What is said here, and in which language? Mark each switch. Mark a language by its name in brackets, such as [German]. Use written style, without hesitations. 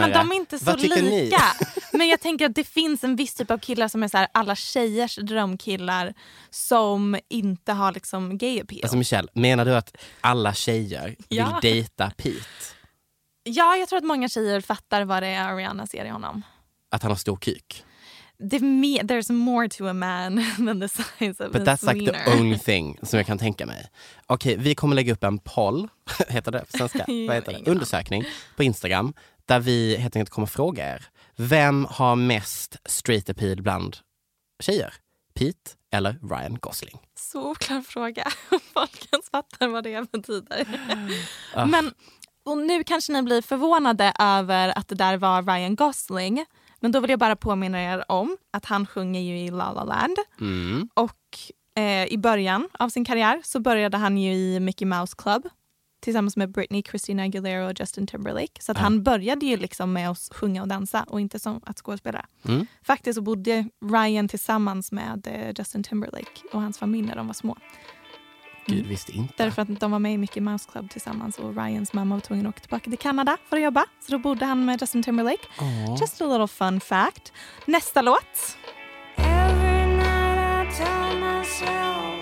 [Swedish] Nej, men de är inte så lika. Men jag tänker att det finns en viss typ av killar som är så här, alla tjejers drömkillar som inte har liksom gay appeal. Alltså Michelle, menar du att alla tjejer vill dejta Pete? Ja, jag tror att många tjejer fattar vad det är Ariana ser i honom. Att han har stor kuk. [English] there's more to a man than the size of his wiener. But that's like the only thing [Swedish] som jag kan tänka mig. Okej, vi kommer lägga upp en poll, heter det på svenska? Vad heter det? Undersökning på Instagram, där vi helt enkelt kommer fråga er. Vem har mest straight appeal bland tjejer? Pete eller Ryan Gosling? Så klar fråga. Folk kan fatta vad det betyder. Men, och nu kanske ni blir förvånade över att det där var Ryan Gosling. Men då vill jag bara påminna er om att han sjunger ju i La La Land. Mm. Och i början av sin karriär så började han ju i Mickey Mouse Club. Tillsammans med Britney, Christina Aguilera och Justin Timberlake. Så att han började ju liksom med att sjunga och dansa och inte som att skådespela. Mm. Faktiskt så bodde Ryan tillsammans med Justin Timberlake och hans familj när de var små. Gud visste inte. Därför att de var med i Mickey Mouse Club tillsammans och Ryans mamma var tvungen att åka tillbaka till Kanada för att jobba. Så då bodde han med Justin Timberlake. Aww. [English] Just a little fun fact. [Swedish] Nästa låt. [English] Every night I tell myself.